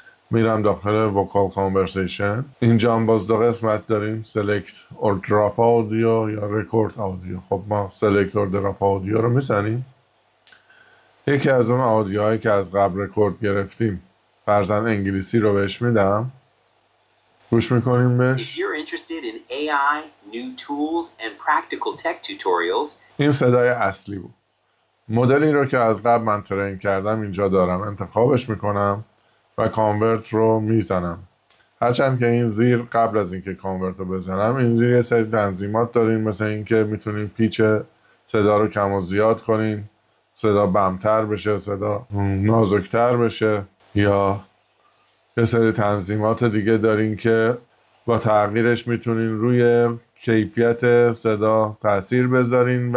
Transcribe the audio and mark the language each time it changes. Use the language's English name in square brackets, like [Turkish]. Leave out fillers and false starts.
[Persian] میرم داخل وکال کانورسیشن. اینجا هم باز دو قسمت داریم، سلیکت اور دراپ آودیو یا رکورد آودیو. خب ما سلیکت اور دراپ آودیو رو میزنیم. یکی از اون آودیوهایی که از قبل رکورد گرفتیم، فرضاً انگلیسی رو بهش میدم. گوش میکنیم بهش. [English] If you're interested in AI, new tools and practical tech tutorials. [Persian] این صدای اصلی بود. مدلی رو که از قبل من ترین کردم اینجا دارم، انتخابش میکنم و کانورت رو میزنم. هرچند که این زیر قبل از اینکه کانورت رو بزنم، این زیر یه سری تنظیمات داریم، مثل اینکه میتونیم پیچ صدا رو کم و زیاد کنیم، صدا بمتر بشه، صدا نازکتر بشه، یا یه سری تنظیمات دیگه دارین که با تغییرش میتونین روی کیفیت صدا تأثیر بذارین.